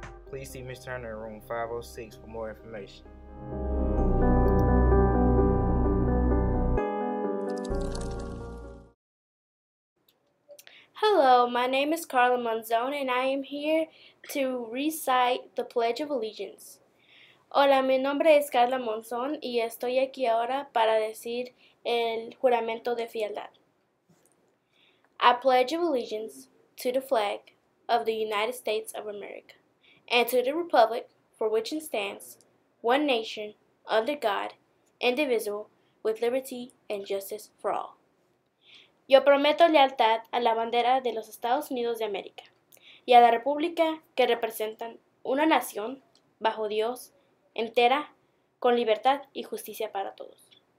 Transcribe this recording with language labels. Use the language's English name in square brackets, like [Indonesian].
[English] Please see Ms. Turner in room 506 for more information. Hello, my name is Carla Monzon, and I am here to recite the Pledge of Allegiance. [Spanish] Hola, mi nombre es Carla Monzon, y estoy aquí ahora para decir el juramento de fidelidad. [English] I pledge of allegiance to the flag of the United States of America, and to the republic for which it stands, one nation, under God, indivisible, with liberty and justice for all. [Spanish] Yo prometo lealtad a la bandera de los Estados Unidos de América y a la República que representan una nación bajo Dios entera con libertad y justicia para todos.